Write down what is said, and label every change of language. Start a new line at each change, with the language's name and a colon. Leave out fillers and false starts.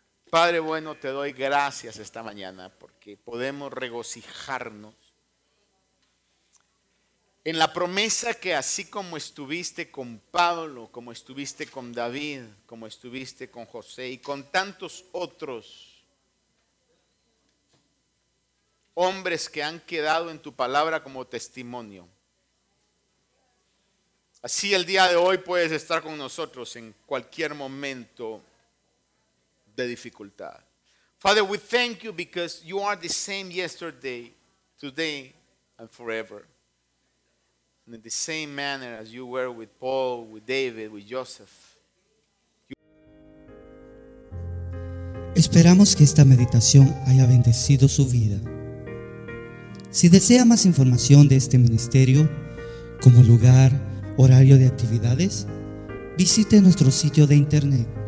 Spanish: Padre bueno, te doy gracias esta mañana porque podemos regocijarnos en la promesa que así como estuviste con Pablo, como estuviste con David, como estuviste con José y con tantos otros hombres que han quedado en tu palabra como testimonio. Así el día de hoy puedes estar con nosotros en cualquier momento de dificultad.
English: Father, we thank you because you are the same yesterday, today, and forever. And in the same manner as you were with Paul, with David, with Joseph.
Spanish: Esperamos que esta meditación haya bendecido su vida. Si desea más información de este ministerio, como lugar, horario de actividades, visite nuestro sitio de internet.